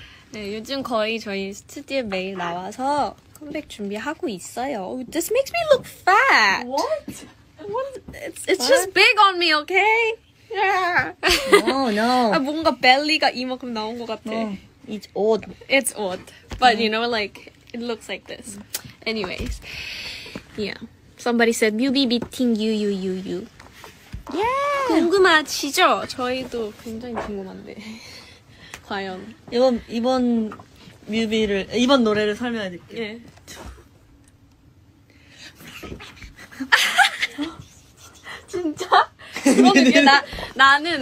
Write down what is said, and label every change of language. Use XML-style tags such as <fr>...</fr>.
<ko>네, 요즘 거의 저희 스튜디오에 매일 나와서 컴백 준비하고 있어요.</ko> <en>This makes me look fat. What? It's just big on me, okay? Yeah. No, no.</en> <ko>아, 뭔가 벨리가 이만큼 나온 것 같아.</ko> <en>No, it's odd. It's odd. But you know, like, it looks like this. Anyways. Yeah. Somebody said, newbie beating you, you, you, you. Yeah.</en> <ko>궁금하시죠? 저희도 굉장히 궁금한데. 과연. 이번 뮤비를, 이번 노래를 설명해드릴게요. 예. 진짜? 그러면 나는.</ko>